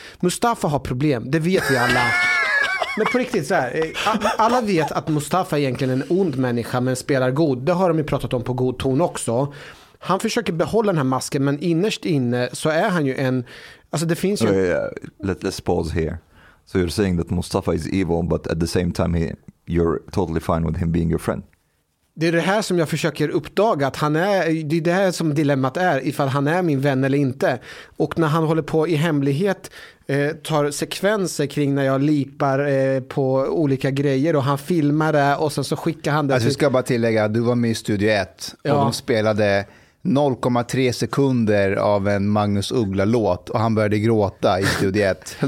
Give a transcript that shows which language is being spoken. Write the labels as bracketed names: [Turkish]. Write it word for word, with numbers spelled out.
[Swedish] Mustafa har problem. Det vet vi alla. Men på riktigt så här, alla vet att Mustafa är egentligen en ond människa men spelar god. Det har de ju pratat om på God ton också. Han försöker behålla den här masken, men innerst inne så är han ju en... Alltså det finns ju... [English] Okay, yeah. Let, let's pause here. So you're saying that Mustafa is evil, but at the same time he, you're totally fine with him being your friend. [Swedish] Det är det här som jag försöker uppdaga, att han är, det är det här som dilemmat är, ifall han är min vän eller inte. Och när han håller på i hemlighet eh, tar sekvenser kring när jag lipar eh, på olika grejer och han filmar det och sen så skickar han det. Alltså, jag ska bara tillägga, du var med i Studio ett och ja. De spelade noll komma tre sekunder av en Magnus Uggla-låt och han började gråta i Studio ett.